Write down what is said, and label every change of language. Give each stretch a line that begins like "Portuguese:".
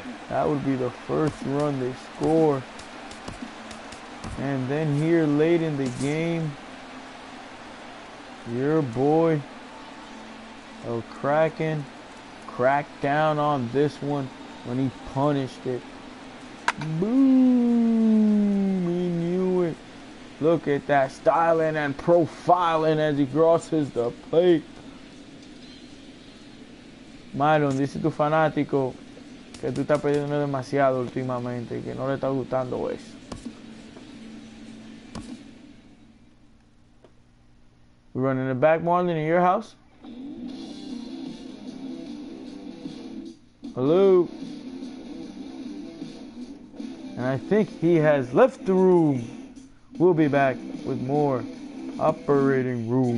English: That would be the first run they score. And then here late in the game, your boy, El Kraken, cracked down on this one when he punished it. Boom! He knew it. Look at that styling and profiling as he crosses the plate.
Spanish: Marlon, dice tu fanático que tú estás perdiendo demasiado últimamente y que no le está gustando eso.
English: We running it back, Marlon, in your house? Hello? And I think he has left the room. We'll be back with more operating room.